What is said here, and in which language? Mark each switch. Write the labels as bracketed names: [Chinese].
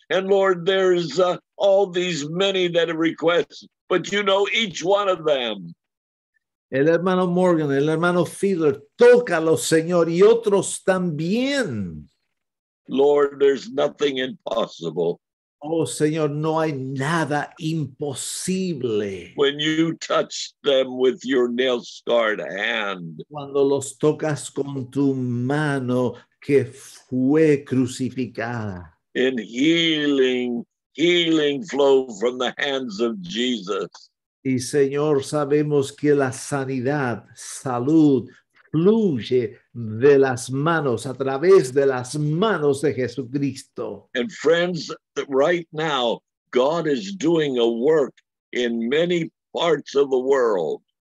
[English] And Lord, there's all these many that have requests, but you know each one of them. [Spanish] El hermano Morgan, el hermano Fiddler, tócalo, Señor, y otros también. [English] Lord, there's nothing impossible. [Spanish] Oh, Señor, no hay nada imposible. [English] When you touch them with your nail-scarred hand. [Spanish] Cuando los tocas con tu mano que fue crucificada. [English] In healing, healing flow from the hands of Jesus. [Spanish] Y Señor, sabemos que la sanidad, salud, fluye de las manos, a través de las manos de Jesucristo. [English] And friends, right now, God is doing a work in many parts of the world.